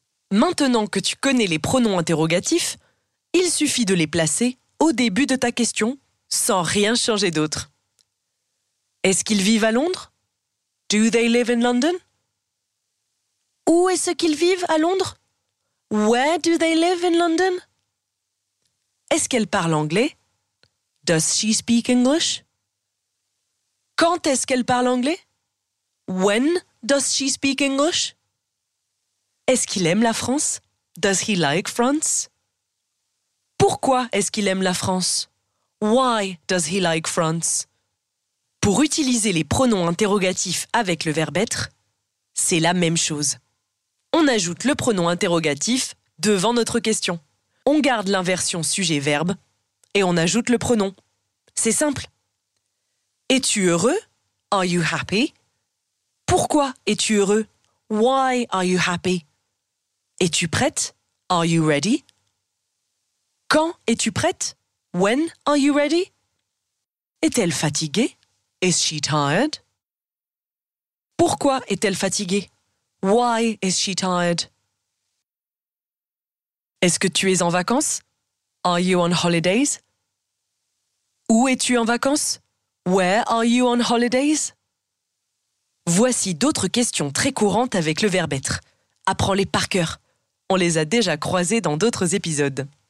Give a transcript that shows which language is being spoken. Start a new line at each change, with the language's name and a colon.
French: Maintenant que tu connais les pronoms interrogatifs, il suffit de les placer au début de ta question sans rien changer d'autre. Est-ce qu'ils vivent à Londres?
English: Do they live in London?
French: Où est-ce qu'ils vivent à Londres?
English: Where do they live in London?
French: Est-ce qu'elle parle anglais?
English: Does she speak English?
French: Quand est-ce qu'elle parle anglais?
English: When does she speak English?
French: Est-ce qu'il aime la France?
English: Does he like France?
French: Pourquoi est-ce qu'il aime la France?
English: Why does he like France?
French: Pour utiliser les pronoms interrogatifs avec le verbe être, c'est la même chose. On ajoute le pronom interrogatif devant notre question. On garde l'inversion sujet-verbe et on ajoute le pronom. C'est simple. Es-tu heureux?
English: Are you happy?
French: Pourquoi es-tu heureux?
English: Why are you happy?
French: Es-tu prête?
English: Are you ready?
French: Quand es-tu prête?
English: When are you ready?
French: Est-elle fatiguée?
English: Is she tired?
French: Pourquoi est-elle fatiguée?
English: Why is she tired?
French: Est-ce que tu es en vacances?
English: Are you on holidays?
French: Où es-tu en vacances?
English: Where are you on holidays?
French: Voici d'autres questions très courantes avec le verbe être. Apprends-les par cœur. On les a déjà croisées dans d'autres épisodes.